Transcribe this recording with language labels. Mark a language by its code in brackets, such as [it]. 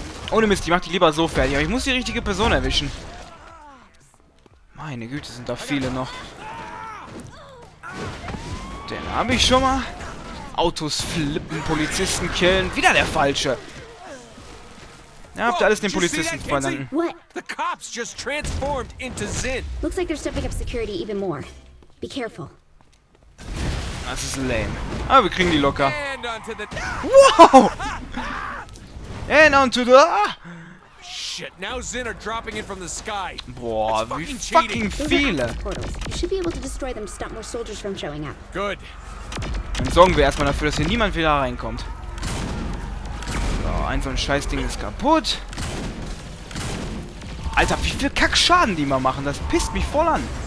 [de] Ohne Mist, ich mach die lieber so fertig, aber ich muss die richtige Person erwischen. Meine Güte, sind da viele noch. Den habe ich schon mal. Autos flippen, Polizisten killen. Wieder der Falsche. Ja, habt ihr alles den Polizisten verdanken. [en] The cops just transformed into Zin. Looks like they're stepping up security even more. Be careful. [de] Das ist lame. Aber wir kriegen die locker. [en] Wow! And on to the... Shit, now Zin are dropping in from the sky. [de] Boah, wie fucking viele. [en] You should be able to destroy them to stop more soldiers from showing up. Good. [de] Dann sorgen wir erstmal dafür, dass hier niemand wieder reinkommt. So, ein so ein Scheißding ist kaputt. Alter, wie viel Kackschaden die mal machen. Das pisst mich voll an.